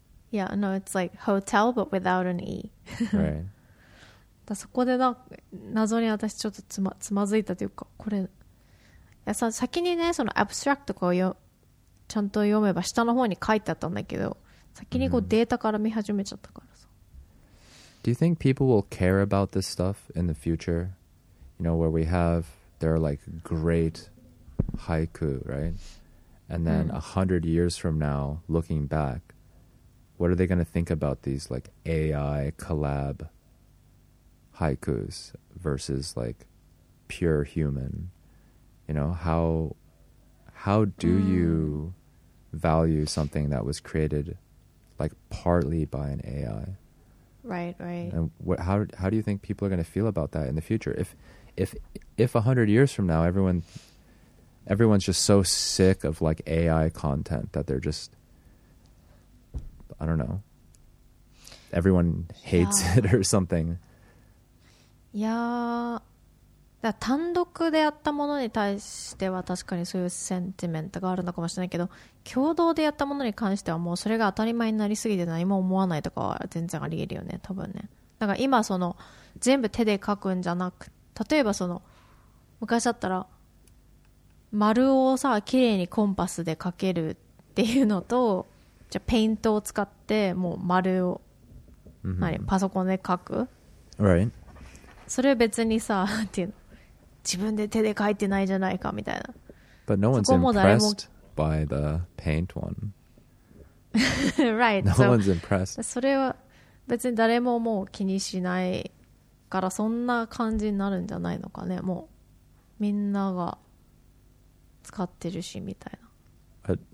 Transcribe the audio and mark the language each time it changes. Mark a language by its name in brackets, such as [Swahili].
[English] Yeah, no, it's like hotel, but without an E. Right. [Japanese] だそこでな謎に私ちょっとつまずいたというか、これ、いやさ先にね、その abstract とかをちゃんと読めば下の方に書いてあったんだけど、先にこうデータから見始めちゃったから。 [English] Do you think people will care about this stuff in the future? You know, where we have, there are like great haiku, right? And then 100 years from now, looking back, what are they going to think about these like AI collab haikus versus like pure human? You know, how do you value something that was created like partly by an AI? Right, right. And how do you think people are going to feel about that in the future? If 100 years from now, everyone's just so sick of like AI content that they're just, I don't know, everyone hates it or something. Yeah. [Japanese] だ単独でやったものに対しては確かにそういうセンチメントがあるのかもしれないけど、共同でやったものに関してはもうそれが当たり前になりすぎて何も思わないとかは全然あり得るよね、多分ね。だから今その全部手で書くんじゃなく、例えばその昔だったら丸をさ綺麗にコンパスで書けるっていうのと、じゃペイントを使ってもう丸を、 mm-hmm. 何パソコンで書く、 [English] right. [Japanese] それ別にさっていうの、自分で手で描いてないじゃないかみたいな。 [English] But no one's impressed by the paint one. Right. No one's impressed. [Japanese] それは別に誰ももう気にしないからそんな感じになるんじゃないのかね。もうみんなが使ってるしみたいな。